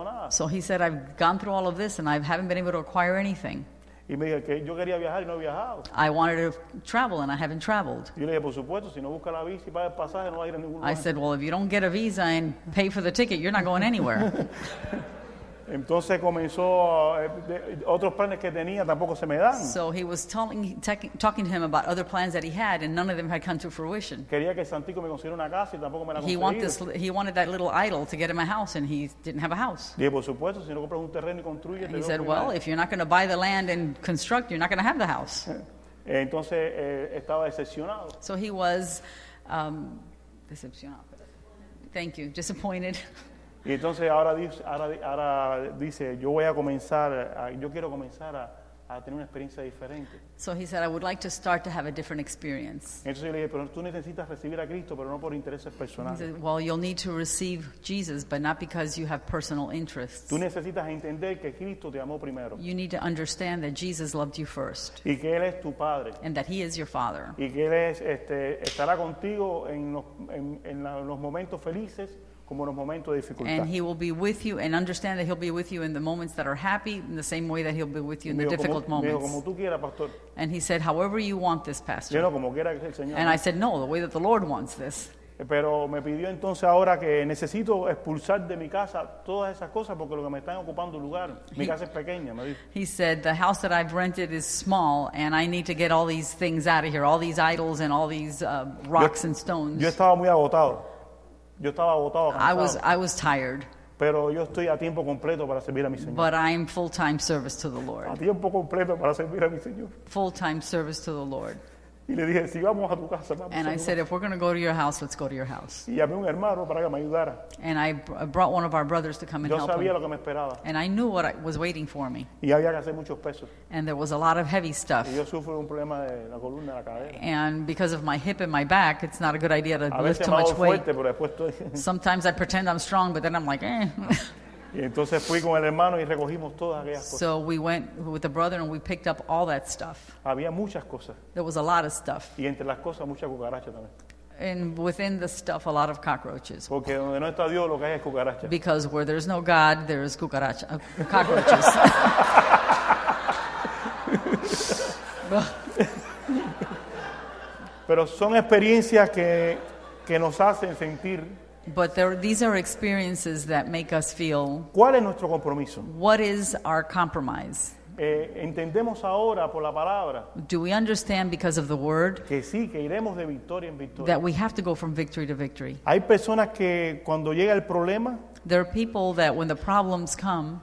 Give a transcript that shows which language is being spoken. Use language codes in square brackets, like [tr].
[en] So he said, I've gone through all of this and I haven't been able to acquire anything. [es] Y me dijo que yo quería viajar y no he viajado. [en] I wanted to travel and I haven't traveled. [es] Yo le dije, por supuesto, si no busca la visa y paga el pasaje, no va a ir a ningún lugar. [en] I said, well, if you don't get a visa and pay for the ticket, you're not going anywhere. [es] Entonces comenzó otros planes que tenía tampoco se me dan. [en] So he was talking to him about other plans that he had and none of them had come to fruition. [es] Quería que Santico me consiguiera una casa y tampoco me la conseguía. [en] He wanted that little idol to get him a house and he didn't have a house. [es] Dije, por supuesto, si no compras un terreno y construyes. [en] He said, well, if you're not going to buy the land and construct, you're not going to have the house. [es] Entonces estaba decepcionado. [en] So he was decepcionado. Thank you. Disappointed. [es] Y entonces ahora dice, yo voy a comenzar, yo quiero comenzar a tener una experiencia diferente. [en] So he said, I would like to start to have a different experience. [es] Entonces yo le dije, pero tú necesitas recibir a Cristo, pero no por intereses personales. [en] He said, well, you'll need to receive Jesus, but not because you have personal interests. [es] Tú necesitas entender que Cristo te amó primero. [en] You need to understand that Jesus loved you first. [es] Y que Él es tu Padre. [en] And that He is your Father. [es] Y que Él es, estará contigo en los momentos felices. Como los momentos de dificultad. [en] And he will be with you and understand that he'll be with you in the moments that are happy in the same way that he'll be with you in the difficult moments. [es] Como tú quieras, pastor. [en] And he said, however you want this, pastor. [es] Pero como quiera el Señor. [en] And I said, no, the way that the Lord wants this. [es] Pero me pidió entonces ahora que necesito expulsar de mi casa todas esas cosas porque lo que me están ocupando lugar. Mi casa es pequeña, me dijo. [en] He said, the house that I've rented is small and I need to get all these things out of here, all these idols and all these rocks and stones. [es] Yo estaba muy agotado. Yo estaba agotado, cansado. [en] I was tired. [es] Pero yo estoy a tiempo completo para servir a mi Señor. [en] But I'm full-time service to the Lord. [es] A tiempo completo para servir a mi Señor. [en] Full-time service to the Lord. [es] Y le dije, si vamos a tu casa, vamos. [en] And I said, if we're going to go to your house, let's go to your house. [es] Y llamé a un hermano para que me ayudara. [en] And I brought one of our brothers to come and [es] yo [en] help [es] sabía [en] him. [es] Lo que me esperaba. [en] And I knew what was waiting for me. [es] Y había que hacer muchos pesos. [en] And there was a lot of heavy stuff. [es] Y yo sufro un problema de la columna, la cadera. [en] And because of my hip and my back, it's not a good idea to a lift too much weight. [es] Fuerte, pero después estoy... [en] Sometimes I pretend I'm strong, but then I'm like, eh. [es] Y entonces fui con el hermano y recogimos todas aquellas cosas. [en] So we went with the brother and we picked up all that stuff. [es] Había muchas cosas. [en] There was a lot of stuff. [es] Y entre las cosas, mucha cucaracha también. [en] And within the stuff, a lot of cockroaches. [es] Porque donde no está Dios, lo que hay es cucaracha. [en] Because where there's no God, there's cucaracha, cockroaches. [es] Pero son experiencias que nos hacen sentir. [en] But these are experiences that make us feel. [es] ¿Cuál es nuestro compromiso? [en] What is our compromise? [es] Entendemos ahora por la palabra. [en] Do we understand because of the word? [es] Que sí, que iremos de victoria en victoria. [en] That we have to go from victory to victory. [es] Hay personas que cuando llega el problema. [en] There are people that when the problems come.